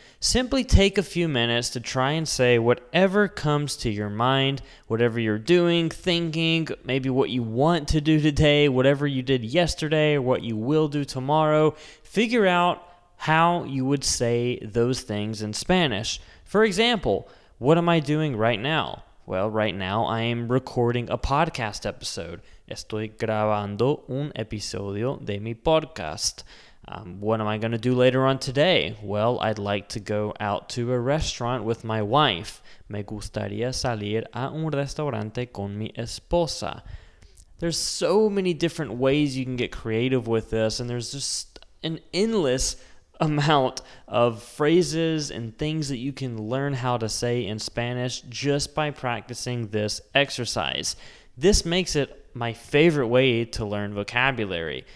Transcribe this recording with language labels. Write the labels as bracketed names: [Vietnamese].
[English] Simply take a few minutes to try and say whatever comes to your mind, whatever you're doing, thinking, maybe what you want to do today, whatever you did yesterday, what you will do tomorrow. Figure out how you would say those things in Spanish. For example, what am I doing right now? Well, right now I am recording a podcast episode. [Spanish] Estoy grabando un episodio de mi podcast. [English] What am I going to do later on today? Well, I'd like to go out to a restaurant with my wife. [Spanish] Me gustaría salir a un restaurante con mi esposa. [English] There's so many different ways you can get creative with this, and there's just an endless amount of phrases and things that you can learn how to say in Spanish just by practicing this exercise. This makes it my favorite way to learn vocabulary.